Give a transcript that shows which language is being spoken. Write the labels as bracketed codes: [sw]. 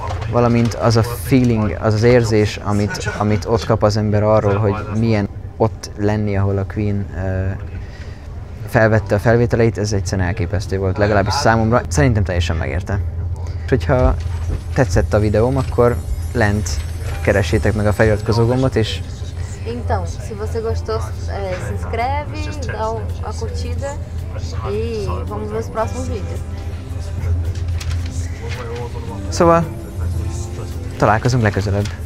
[hu] Valamint az a feeling, az az érzés, amit ott kap az ember arról, hogy milyen ott lenni, ahol a Queen felvette a felvételeit, ez egyszerűen elképesztő volt, legalábbis számomra. Szerintem teljesen megérte. És hogyha tetszett a videóm, akkor lent keressétek meg a feliratkozó gombot, és... [pt] Então, se você gostou, se inscreve, dá a curtida, e vamos ver os próximos vídeos. [hu] Szóval, találkozunk legközelebb.